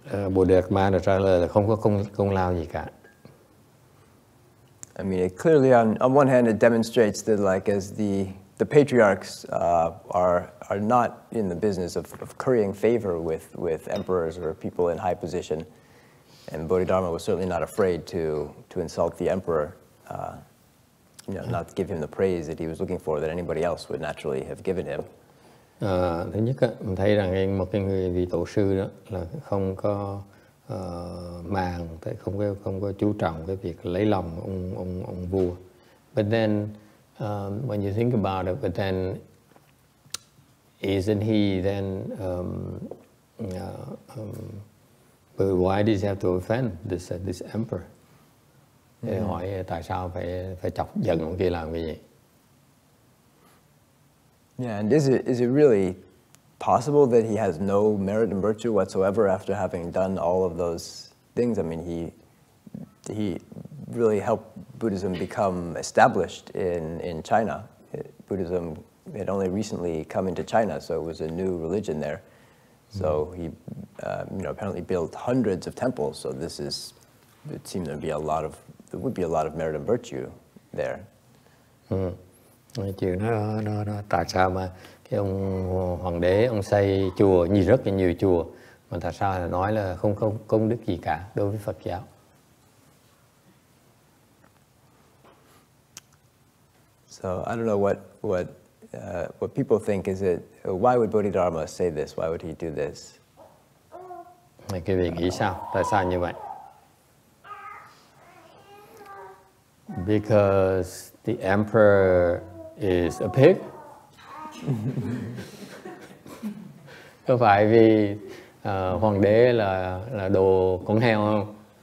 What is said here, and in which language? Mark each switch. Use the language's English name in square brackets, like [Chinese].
[Vietnamese] Bồ Đề Ma đã trả lời là không có công lao gì cả. [English] I mean, clearly on one hand it demonstrates that like as the patriarchs are not in the business of currying favor with emperors or people in high position, and Bodhidharma was certainly not afraid to insult the emperor, not give him the praise that he was looking for that anybody else would naturally have given him. [Vietnamese] Thứ nhất á, mình thấy rằng một cái người vị tổ sư đó là không có màng, không có chú trọng cái việc lấy lòng ông vua. [English] But then when you think about it, but then isn't he then but why does he have to offend this emperor? Mm-hmm. [Vietnamese] Thì hỏi tại sao phải chọc giận ông kia làm cái gì? [English] Yeah, and is it really possible that he has no merit and virtue whatsoever after having done all of those things? I mean, he really helped Buddhism become established in China. Buddhism had only recently come into China, so it was a new religion there. So he, apparently built hundreds of temples. So this is, it seemed there'd be a lot of, there would be a lot of merit and virtue there. Mm. [Vietnamese] Nói chuyện nó tại sao mà cái ông hoàng đế ông xây chùa nhiều rất là nhiều chùa mà tại sao lại nói là không công đức gì cả đối với Phật giáo. [English] So I don't know what people think, is it why would Bodhidharma say this, why would he do this? [Vietnamese] Mà quý vị nghĩ sao, tại sao như vậy? [English] Because the emperor is a pig. [Vietnamese] Có phải vì hoàng đế là đồ con heo không?